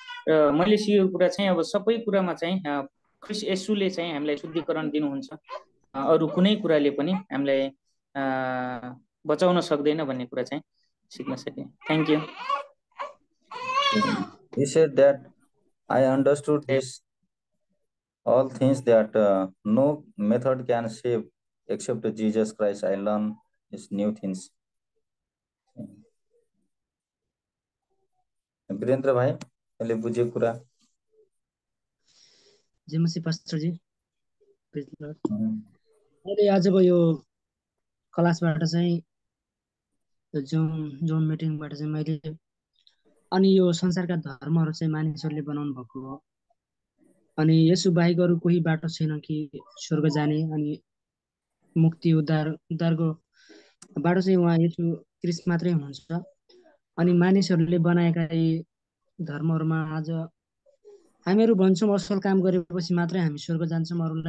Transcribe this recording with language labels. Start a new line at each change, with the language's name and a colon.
Nepali: र मैले सिकेको कुरा चाहिँ अब सबै कुरामा चाहिँ ख्रीष्ट येशूले चाहिँ हामीलाई शुद्धिकरण दिनुहुन्छ, अरू कुनै कुराले पनि हामीलाई बचाउन सक्दैन भन्ने कुरा चाहिँ सिक्न सके.
English: Thank you. He said that I understood this all things that no method can save except Jesus Christ. I learn these new things.
Nepali: Birendra भाइ अहिले बुझ्यो कुरा.
English: जेमसी pastor ji, praise lord.
Nepali: मैले आजको यो क्लासबाट चाहिँ जुन मिटिङबाट चाहिँ मैले अनि यो संसारका धर्महरू चाहिँ मानिसहरूले बनाउनु भएको हो, अनि यसो बाहेक अरू कोही बाटो छैन कि स्वर्ग जाने, अनि मुक्ति उद्धारको बाटो चाहिँ उहाँ येशु क्रिस्ट मात्रै हुनुहुन्छ, अनि मानिसहरूले बनाएका यी धर्महरूमा आज हामीहरू भन्छौँ असल काम गरेपछि मात्रै हामी स्वर्ग जान्छौँ,